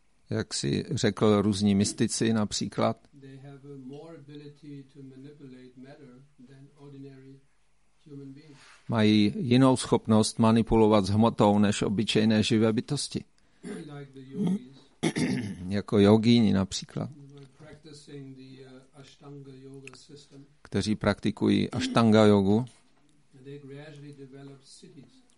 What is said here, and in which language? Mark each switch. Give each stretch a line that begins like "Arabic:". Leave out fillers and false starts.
Czech: Jak si řekl, různí mystici například.
English: They have a more ability to manipulate matter than ordinary human beings.
Czech: Mají jinou schopnost manipulovat s hmotou než obyčejné živé bytosti.
English: Like the yogis.
Czech: Jako jogíni například.
English: Practicing the Ashtanga yoga system.
Czech: Kteří praktikují Ashtanga jogu.
English: They gradually develop siddhis.